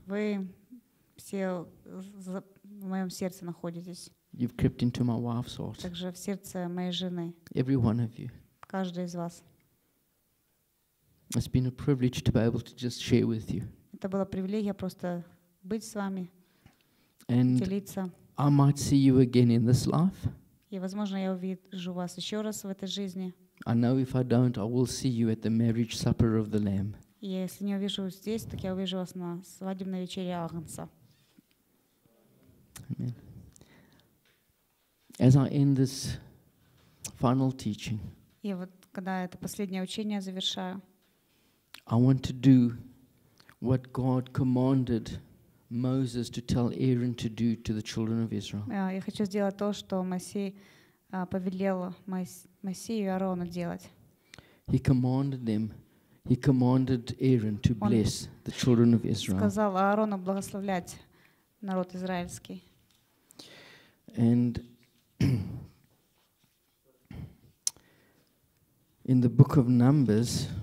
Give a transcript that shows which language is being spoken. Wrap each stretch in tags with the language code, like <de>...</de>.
<ru>Вы все в моем сердце находитесь.</ru> <en>You've crept into my wife's heart.</en> <ru>Также в сердце моей жены.</ru> <en>Every one of you.</en> <ru>Каждый из вас.</ru> <en>It's been a privilege to be able to just share with you.</en> <ru>Это была привилегия просто быть с вами,</ru> <en>and</en> <ru>делиться.</ru> <en>I might see you again in this life.</en> <ru>И, возможно, я увижу вас еще раз в этой жизни.</ru> <en>I know if I don't, I will see you at the marriage supper of the Lamb.</en> <ru>И если не увижу вас здесь, так я увижу вас на свадебной вечере Агнца.</ru> <en>Amen. As I end this final teaching.</en> <ru>И вот когда это последнее учение завершаю.</ru> <en>I want to do what God commanded Moses to tell Aaron to do to the children of Israel.</en> <ru>Я хочу сделать то, что Моисей повелел Моисею и Аарону делать.</ru> <en>He commanded them. He commanded Aaron to bless the children of Israel.</en> <ru>Сказал Аарону благословлять народ израильский.</ru> <en>And in the book of Numbers.</en>